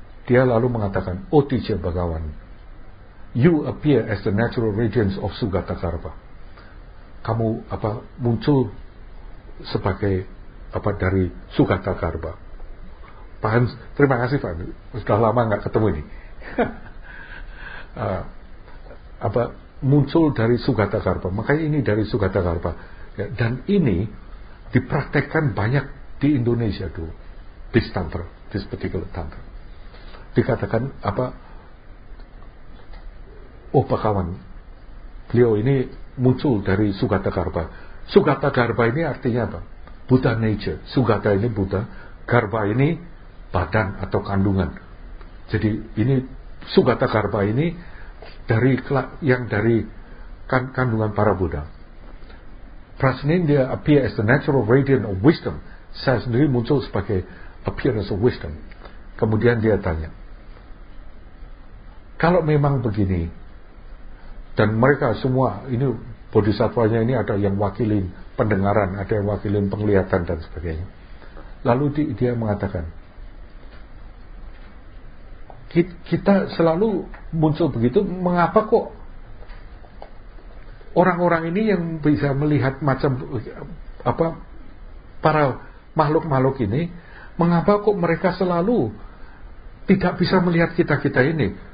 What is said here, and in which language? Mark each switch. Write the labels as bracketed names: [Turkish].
[Indonesian] Dia lalu mengatakan, [English] "O teacher Bhagawan, you appear as the natural radiance of Sugata Garbha. [Indonesian] Kamu apa muncul sebagai apa dari Sugata Garbha. Pak Hans, terima kasih Pak, sudah lama nggak ketemu ini. apa muncul dari Sugata Karpa, makanya ini dari Sugata Karpa, ya, dan ini dipraktekkan banyak di Indonesia dulu, [English] this tantra, this particular tantra. [Indonesian] Dikatakan apa, oh Pak Kawan, beliau ini muncul dari Sugata Karpa. Sugata Karpa ini artinya apa? [English] Buddha nature. [Indonesian] Sugata ini Buddha, Karpa ini badan atau kandungan. Jadi ini Sugata Karpa ini dari yang dari kandungan para Buddha. [English] Prasnindya appear as the natural radiant of wisdom. [Indonesian] Saya sendiri muncul sebagai [English] appearance of wisdom. [Indonesian] Kemudian dia tanya, kalau memang begini, dan mereka semua ini bodhisattvanya ini ada yang wakilin pendengaran, ada yang wakilin penglihatan dan sebagainya. Lalu dia mengatakan, kita selalu muncul begitu, mengapa kok orang-orang ini yang bisa melihat macam apa para makhluk-makhluk ini, mengapa kok mereka selalu tidak bisa melihat kita-kita ini?